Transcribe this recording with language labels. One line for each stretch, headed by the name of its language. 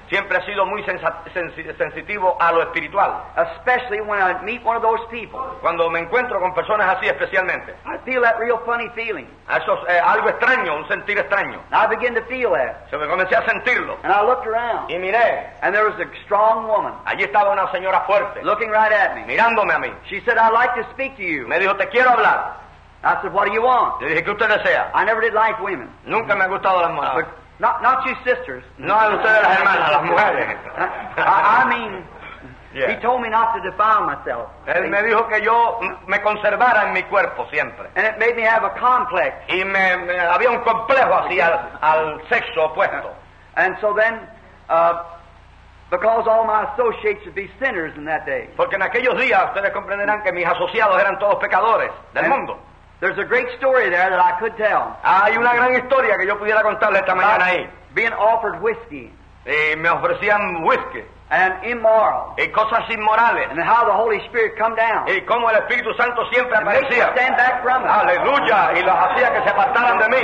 Spanish: Siempre he sido muy sensitivo a lo espiritual.
English: Especially when I meet one of those people.
Spanish: Cuando me encuentro con personas así especialmente.
English: I feel that real funny feeling.
Spanish: Eso es algo extraño, un sentir extraño.
English: And I began to feel that.
Spanish: Se me comencé a sentirlo.
English: And I looked around.
Spanish: Y miré.
English: And there was a strong woman.
Spanish: Allí estaba una señora fuerte.
English: Looking right at me.
Spanish: Mirándome a mí.
English: She said, I'd like to speak to you.
Spanish: Me dijo, te quiero hablar.
English: I said, what do you want?
Spanish: Le dije, ¿qué usted desea?
English: I never did like women.
Spanish: Nunca me ha gustado las mujeres.
English: But not you sisters.
Spanish: No, ustedes las hermanas, las mujeres.
English: I mean, yeah. He told me not to defile myself.
Spanish: Él me dijo que yo me conservara en mi cuerpo siempre.
English: And it made me have a complex.
Spanish: Y me había un complejo así al sexo opuesto.
English: And so then, because all my associates would be sinners in that day.
Spanish: Porque en aquellos días, ustedes comprenderán que mis asociados eran todos pecadores del mundo.
English: There's a great story there that I could tell.
Spanish: Hay una gran historia que yo pudiera contarle esta mañana ahí.
English: Being offered whiskey.
Spanish: Y me ofrecían whisky.
English: And immoral.
Spanish: Y cosas inmorales.
English: And how the Holy Spirit come down.
Spanish: Y cómo el Espíritu Santo siempre aparecía.
English: And stand back from it.
Spanish: Aleluya. Y los hacía que se apartaran de mí.